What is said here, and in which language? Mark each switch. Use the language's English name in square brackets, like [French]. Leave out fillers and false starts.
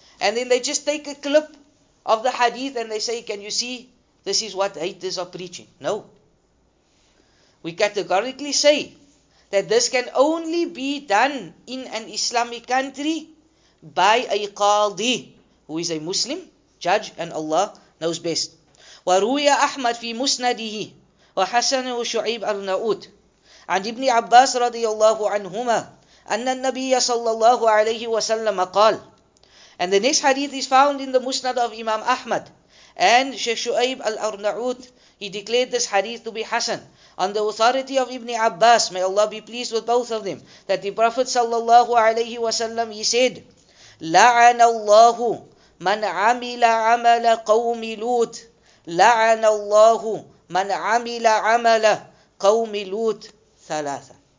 [English] And then they just take a clip of the hadith and they say, can you see, this is what haters are preaching. No. We categorically say that this can only be done in an Islamic country by a qadi, who is a Muslim judge, and Allah knows best. [Arabic] وَرُوِيَ أَحْمَدْ فِي مُسْنَدِهِ وَحَسَنَهُ شُعِيبَ أَرْنَعُوتِ. عن ابن عباس رضي الله عنهما أن النبي صلى الله عليه وسلم قال. [English] And the next hadith is found in the Musnad of Imam Ahmad and Sheikh Shu'aib al-Arna'ut. He declared this hadith to be Hassan on the authority of Ibn Abbas. May Allah be pleased with both of them. That the Prophet sallallahu alayhi wa sallam, he said, [Arabic] لَعَنَ اللَّهُ مَنْ عَمِلَ عَمَلَ قَوْمِ لُوتِ لَعَنَ اللَّهُ مَنْ عَمِلَ عَمَلَ قَوْمِ لُوتِ ثَلَاثًا.